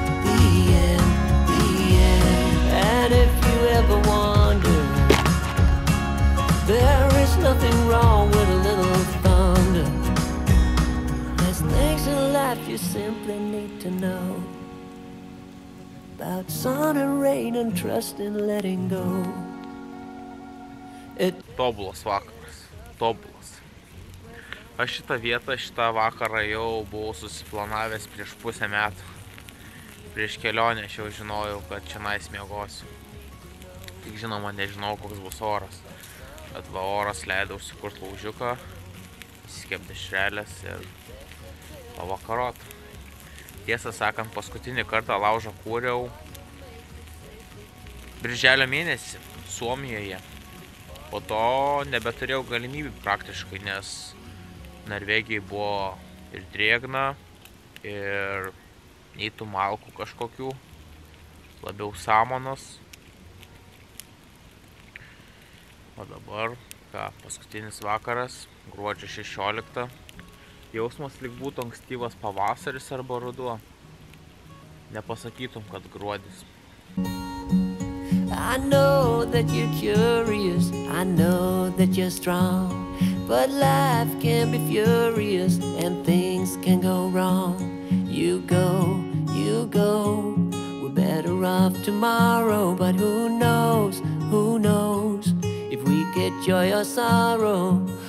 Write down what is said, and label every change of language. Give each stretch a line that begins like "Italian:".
English: The end, the end. And if you ever wonder, there is nothing wrong with a little thunder. Things in life you simply need to know. About sun and rain and trust in letting go.
Lithuanian: Tobulas vakaras, tobulas. Aš šitą vietą, šitą vakarą jau buvau susiplanavęs prieš pusę metų. Prieš kelionę aš jau žinojau, kad čionais miegosiu. Tik žinoma, nežinau, koks bus oras. Bet va, oras leido užsikurt laužiuką, įsikept dešrelės ir pavakarot. Tiesą sakant, paskutinį kartą laužą kūriau birželio mėnesį Suomijoje. Po to nebeturėjau galimybių praktiškai, nes Norvegijai buvo ir drėgna, ir nei tų malkų kažkokių, labiau samonos. O dabar, ką, paskutinis vakaras, gruodžio 16. Jausmas lyg būtų ankstyvas pavasaris arba ruduo. Nepasakytum, kad gruodis.
English: I know that you're curious, I know that you're strong. But life can be furious and things can go wrong. You go, you go. We're better off tomorrow, but who knows, who knows if we get joy or sorrow.